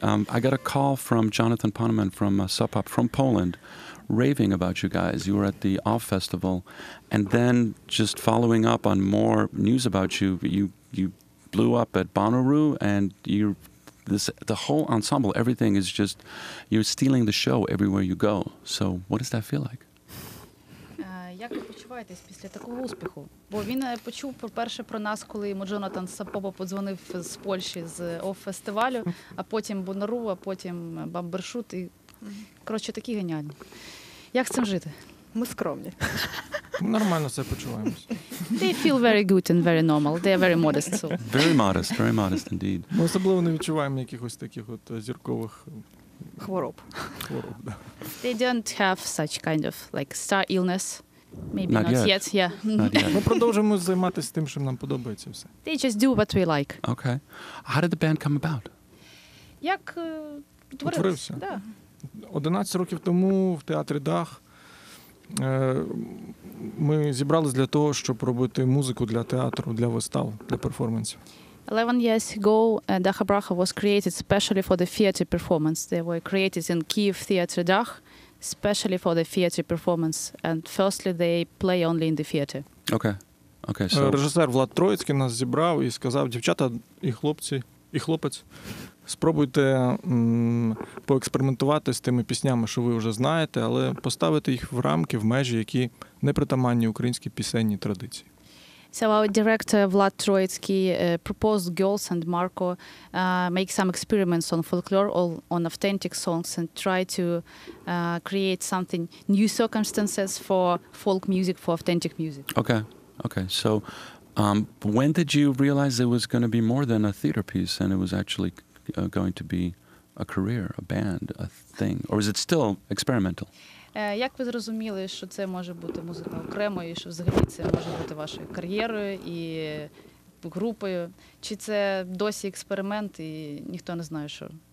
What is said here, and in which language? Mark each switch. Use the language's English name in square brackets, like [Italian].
[English] I got a call from Jonathan Poneman from Sub Pop from Poland, raving about you guys. You were at the OFF Festival. And then just following up on more news about you, you blew up at Bonnaroo, and the whole ensemble, everything is just, you're stealing the show everywhere you go. So what does that feel like? [Ukrainian] Як ви почуваєтесь після такого успіху? Бо він почув перше про нас, коли йому Джонатан Сапопа подзвонив з Польщі, з ОФ-фестивалю, а потім Бонару, а потім Бамбершут. І, коротше, такі геніальні. Як з цим жити? Ми скромні. Нормально себе почуваємося. [English] They feel very good and very normal. They are very modest. So. Very modest indeed. [Ukrainian] Ми особливо не відчуваємо якихось таких от зіркових... Хвороб. Хвороб, да. [English] They don't have such kind of like star illness. Maybe not, not yet. Yeah. Not yet. [Ukrainian] Ми продовжуємо займатися тим, що нам подобається все. [English] They just do what we like. Okay. How did the band come about? [Ukrainian] Як утворився? Да. 11 років тому в театрі Дах ми зібрались для того, щоб робити музику для театру, для вистав, для перформансів. [English] 11 years ago, Dacha Bracha was created specially for the theater performance. They were created in Kyiv Theater Dach, specially for the theater performance. And firstly, they play only in the theater. Okay. Okay, so... [Ukrainian] Режисер Влад Троїцький нас зібрав і сказав, дівчата і хлопці, і хлопець, спробуйте поекспериментувати з тими піснями, що ви вже знаєте, але поставити їх в рамки, в межі, які не притаманні українській пісенній традиції. [English] So our director Vlad Troitsky proposed girls and Marco make some experiments on folklore or on authentic songs and try to create something new circumstances for folk music, for authentic music. Okay. Okay. So when did you realize it was going to be more than a theater piece and it was actually going to be a career, a band, a thing? Or is it still experimental? [Ukrainian] Як ви зрозуміли, що це може бути музика окремо, і що взагалі це може бути вашою кар'єрою і групою? Чи це досі експеримент, і ніхто не знає, що?